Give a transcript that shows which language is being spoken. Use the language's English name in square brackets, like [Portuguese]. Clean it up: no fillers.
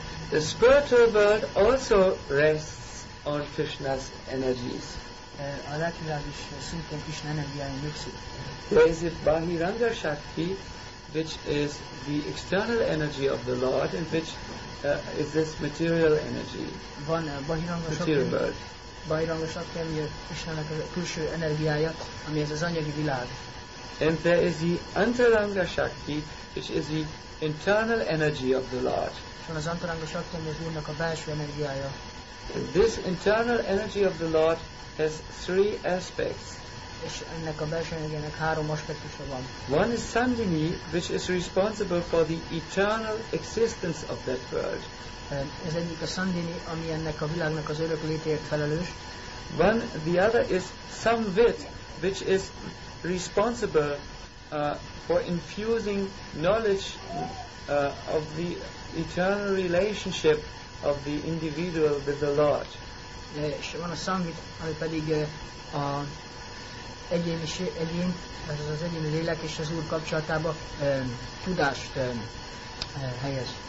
[English] The spiritual world also rests on Krishna's energies. [Hungarian] A lelki világ is szintén Krishna energiáin nyugszik. [English] There is a Bahiranga Shakti, which is the external energy of the Lord, and which is this material energy. [Hungarian] Van Bahiranga Shakti. Bahiranga Shakti, ami a Krishna-nak a külső energiája, ami ez az anyagi világ. [English] And there is the Antaranga Shakti, which is the internal energy of the Lord. [Hungarian] Van az Antaranga Shakti, ami az Úrnak a belső energiája. [English] This internal energy of the Lord has three aspects. [Hungarian] És ennek a belső energiának három aspektusa van. [English] One is Sandini, which is responsible for the eternal existence of that world. [Hungarian] Ez egyik a Sandini, ami ennek a világnak az örök létéért felelős. [English] One, the other is Samvit, which is responsible for infusing knowledge of the eternal relationship of the individual with the Lord. [Hungarian] És van a Samvit, ami pedig a egyén, ez az egyéni lélek és az Úr kapcsolatába tudást helyez.